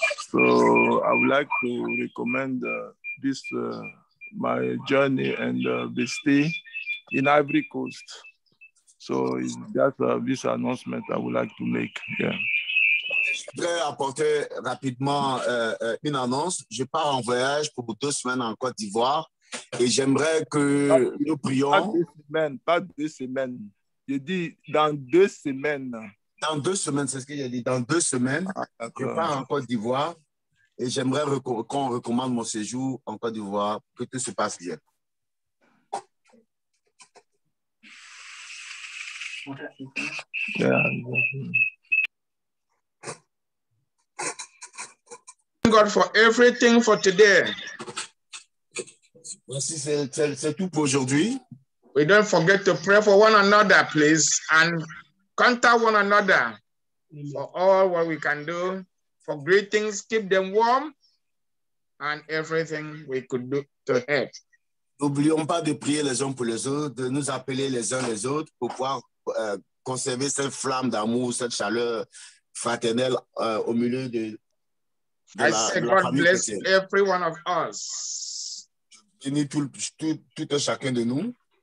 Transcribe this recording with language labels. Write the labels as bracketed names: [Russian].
[English] So I would like to recommend this my journey and the stay in Ivory Coast. So that's this announcement I would like to make. Yeah. [French] Je voudrais apporter rapidement une annonce. Je pars en voyage pour 2 semaines en Côte d'Ivoire et j'aimerais que nous prions. Pas 2 semaines. Je dis dans 2 semaines. Dans 2 semaines, c'est ce que j'ai dit. Dans 2 semaines, je pars en Côte d'Ivoire et j'aimerais qu'on recommande mon séjour en Côte d'Ivoire, que tout se passe bien. [English] Thank God for everything for today. [French] Merci, c'est tout pour aujourd'hui. [English] We don't forget to pray for one another, please, and contact one another for all what we can do. For greetings, keep them warm, and everything we could do to help. [French] N'oublions pas de prier les uns pour les autres, de nous appeler les uns les autres pour pouvoir conserver cette flamme d'amour, cette chaleur fraternelle au milieu de la famille. [English] I say God bless every one of us. [French] Bénis tout un chacun de nous.